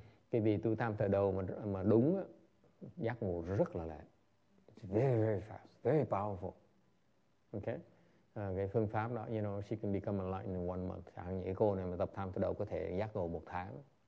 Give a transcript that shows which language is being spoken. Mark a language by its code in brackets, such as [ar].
[vi] Cái vị tu Tham Thọ Đầu mà đúng á, giác ngộ rất là lẹ. [en] It's very, very fast, very powerful. Okay? [vi] Cái phương pháp đó, [en] you know, she can become enlightened in 1 month. [vi] Chẳng như cô này mà tập Tham Thọ Đầu có thể giác ngộ 1 tháng.